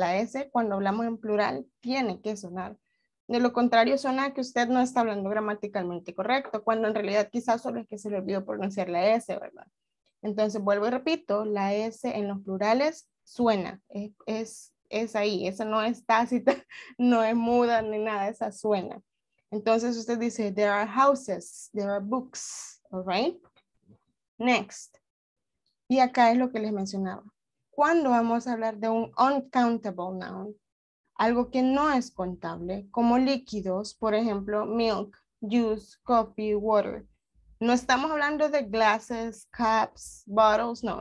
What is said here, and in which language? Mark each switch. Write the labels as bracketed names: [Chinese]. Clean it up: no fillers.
[Spanish] La S, cuando hablamos en plural, tiene que sonar. De lo contrario, suena que usted no está hablando gramaticalmente correcto, cuando en realidad quizás solo es que se le olvidó pronunciar la S, ¿verdad? Entonces, vuelvo y repito, la S en los plurales suena. Es ahí. Esa no es tácita, no es muda ni nada. Esa suena. Entonces usted dice, [English] there are houses, there are books, all right? [Spanish] Next. Y acá es lo que les mencionaba. ¿Cuándo vamos a hablar de un uncountable noun? Algo que no es contable, como líquidos, por ejemplo, [English] milk, juice, coffee, water. [Spanish] No estamos hablando de [English] glasses, cups, bottles, [Spanish] no.